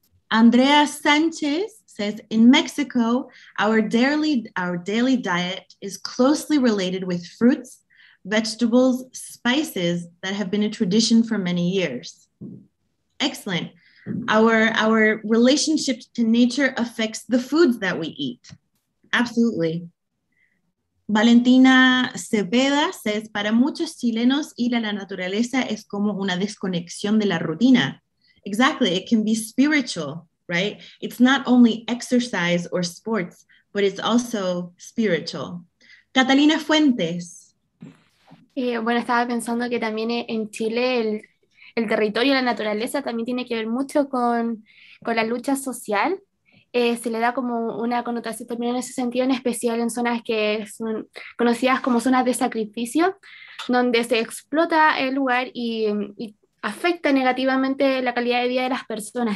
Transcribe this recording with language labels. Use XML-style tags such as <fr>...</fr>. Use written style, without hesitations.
<en>Andrea Sanchez says, in Mexico, our daily diet is closely related with fruits, vegetables, spices that have been a tradition for many years. Excellent. Our relationship to nature affects the foods that we eat. Absolutely. Valentina Cepeda says,</en> <es>para muchos chilenos, ir a la naturaleza es como una desconexión de la rutina.</es> <en>Exactly. It can be spiritual, right? It's not only exercise or sports, but it's also spiritual. Catalina Fuentes.</en> <es>Bueno, estaba pensando que también en Chile el territorio y la naturaleza también tiene que ver mucho con la lucha social. Se le da como una connotación también en ese sentido, en especial en zonas que son conocidas como zonas de sacrificio, donde se explota el lugar y afecta negativamente la calidad de vida de las personas.</es>